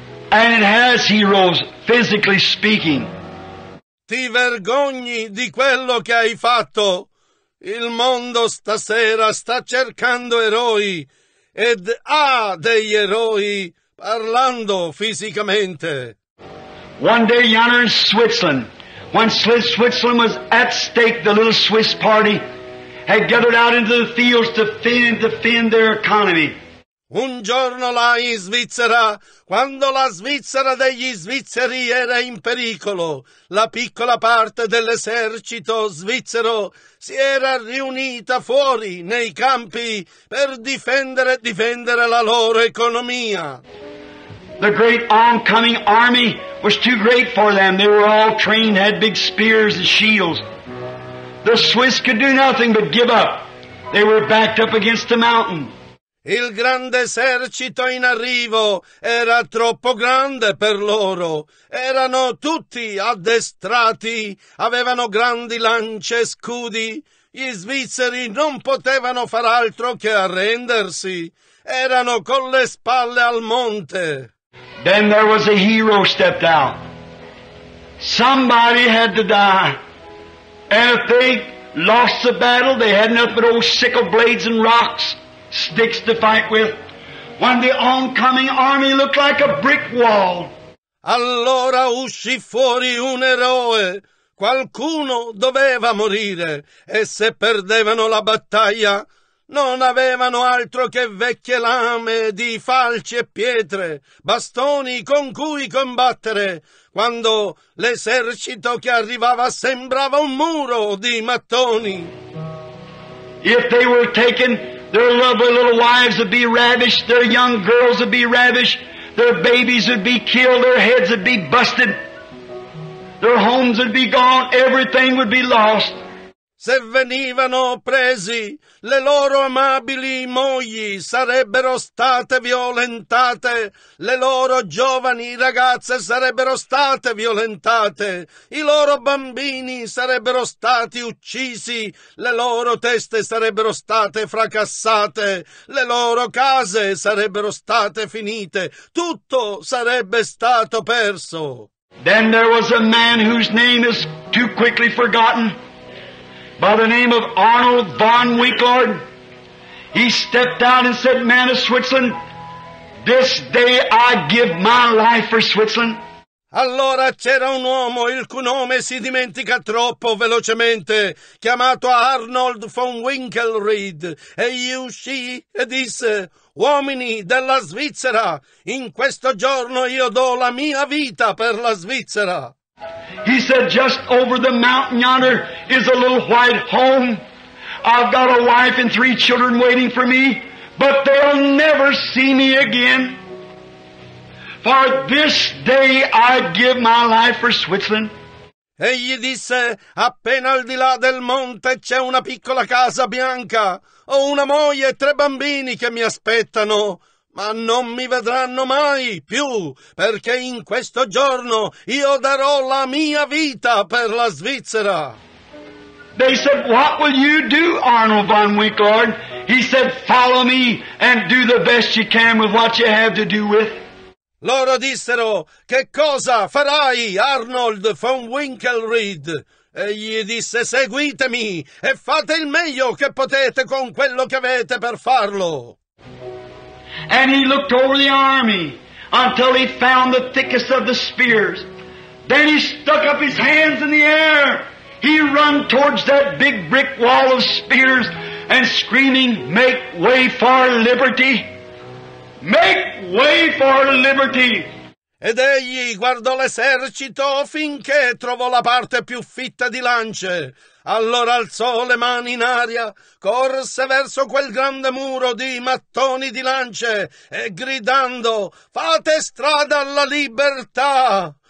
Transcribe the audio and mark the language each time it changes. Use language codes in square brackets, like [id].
[en] And it has heroes, physically speaking. [it] Ti vergogni di quello che hai fatto? Il mondo stasera sta cercando eroi ed ha degli eroi parlando fisicamente. [en] One day yonder in Switzerland, when Switzerland was at stake, the little Swiss party had gathered out into the fields to defend their economy. [it] Un giorno là in Svizzera, quando la Svizzera degli svizzeri era in pericolo, la piccola parte dell'esercito svizzero si era riunita fuori nei campi per difendere la loro economia. [en] The great oncoming army was too great for them. They were all trained, had big spears and shields. The Swiss could do nothing but give up. They were backed up against a mountain. [it] Il grande esercito in arrivo era troppo grande per loro. Erano tutti addestrati, avevano grandi lance e scudi. Gli svizzeri non potevano far altro che arrendersi. Erano con le spalle al monte. [en] Then there was a hero stepped out. Somebody had to die. And if they lost the battle, they had nothing but old sickle blades and rocks, sticks to fight with, when the oncoming army looked like a brick wall. [it] Allora uscì fuori un eroe. Qualcuno doveva morire. E se perdevano la battaglia, non avevano altro che vecchie lame di falci e pietre, bastoni con cui combattere, quando l'esercito che arrivava sembrava un muro di mattoni. [en] If they were taken, their lovely little wives would be ravished, their young girls would be ravished, their babies would be killed, their heads would be busted, their homes would be gone, everything would be lost. [it] Se venivano presi, le loro amabili mogli sarebbero state violentate, le loro giovani ragazze sarebbero state violentate, i loro bambini sarebbero stati uccisi, le loro teste sarebbero state fracassate, le loro case sarebbero state finite, tutto sarebbe stato perso. [en] Then there was a man whose name is too quickly forgotten. By the name of Arnold von Wicklard, he stepped out and said, "Man of Switzerland, this day I give my life for Switzerland." [it] Allora c'era un uomo il cui nome si dimentica troppo velocemente, chiamato Arnold von Winkelried, e gli uscì e disse: "Uomini della Svizzera, in questo giorno io do la mia vita per la Svizzera." [en] He said, "Just over the mountain yonder is a little white home. I've got a wife and three children waiting for me, but they'll never see me again. For this day I give my life for Switzerland." [it] Egli disse, "Appena al di là del monte c'è una piccola casa bianca. Ho una moglie e tre bambini che mi aspettano. Ma non mi vedranno mai più, perché in questo giorno io darò la mia vita per la Svizzera." [en] They said, "What will you do, Arnold von Winkelried?" He said, "Follow me and do the best you can with what you have to do with." [it] Loro dissero, "Che cosa farai, Arnold von Winkelried?" E gli disse, "Seguitemi e fate il meglio che potete con quello che avete per farlo." [en] And he looked over the army until he found the thickest of the spears. Then he stuck up his hands in the air. He ran towards that big brick wall of spears and screaming, "Make way for liberty! Make way for liberty!" [it] Ed egli guardò l'esercito finché trovò la parte più fitta di lance. Allora alzò le mani in aria, corse verso quel grande muro di mattoni di lance e gridando, "Fate strada alla libertà!